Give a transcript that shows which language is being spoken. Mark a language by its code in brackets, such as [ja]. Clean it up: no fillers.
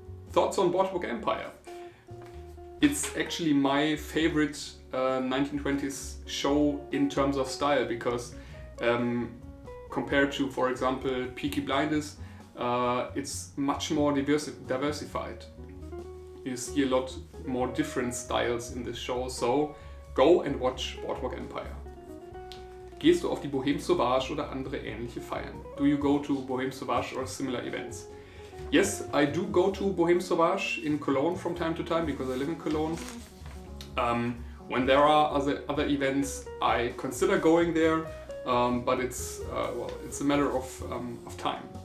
[en] Thoughts on Boardwalk Empire? It's actually my favorite 1920s show in terms of style, because compared to, for example, Peaky Blinders, it's much more diversified. You see a lot more different styles in this show, so go and watch Boardwalk Empire. [de] Gehst du auf die Bohème Sauvage oder andere ähnliche Feiern? [en] Do you go to Bohème Sauvage or similar events? Yes, I do go to Bohème Sauvage in Cologne from time to time, because I live in Cologne. When there are other events, I consider going there, but it's a matter of time.